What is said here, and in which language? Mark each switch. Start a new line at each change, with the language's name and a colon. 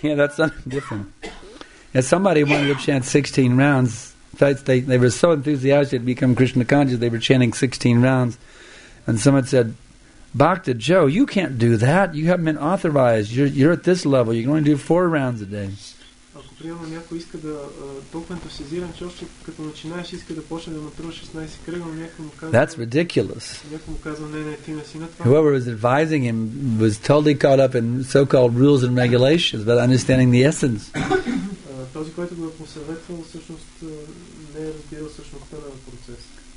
English: Yeah, that's something different. Yeah, somebody wanted to chant 16 rounds. In fact, they were so enthusiastic to become Krishna conscious, they were chanting 16 rounds. And someone said, Bhakta Joe, you can't do that. You haven't been authorized. You're at this level. You can only do 4 rounds a day.
Bulgarian: Ако приема някой иска да толкова ентусиазиран, че още като начинаеш иска да почне да натрува 16 кръга, но някой му казва...
English: That's ridiculous.
Bulgarian: Някой му казва, не, ти не си на това.
English: Whoever was advising him was totally caught up in so-called rules and regulations, but understanding the essence.
Bulgarian: То този, който го е посъветвал, всъщност не е разбирал същността на процеса.